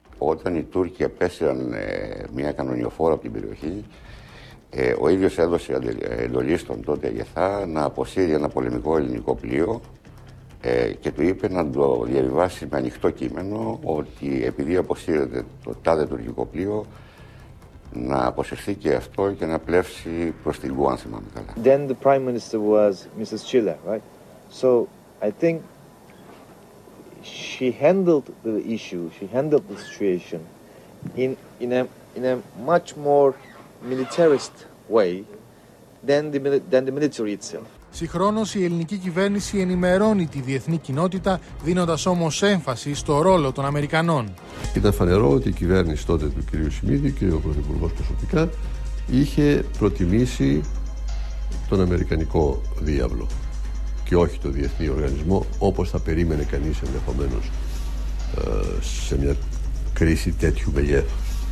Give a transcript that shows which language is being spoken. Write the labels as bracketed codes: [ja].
[el] Όταν οι Τούρκοι απέσυραν μια κανονιοφόρα από την περιοχή, ο ίδιος έδωσε εντολή στον τότε Αγεθά να αποσύρει ένα πολεμικό ελληνικό πλοίο και του είπε να το διαβιβάσει με ανοιχτό κείμενο ότι επειδή αποσύρεται το τάδε τουρκικό πλοίο, να αποσυρθεί και αυτό και να πλεύσει προς την Γκουάν, θυμάμαι καλά. [en] Then the Prime Minister was Mrs. Schiller, right? So I think she handled the issue, she handled the situation in a much more militarist way than the military itself. [el] Συγχρόνως η ελληνική κυβέρνηση ενημερώνει τη διεθνή κοινότητα, δίνοντας όμως έμφαση στο ρόλο των Αμερικανών. Ήταν φανερό ότι η κυβέρνηση τότε του κυρίου Σιμίδη, κύριο Πρωθυπουργός προσωπικά, είχε προτιμήσει τον Αμερικανικό διάβλο και όχι το διεθνή οργανισμό, όπως θα περίμενε κανείς ενδεχομένως σε μια κρίση τέτοιου μεγέθους.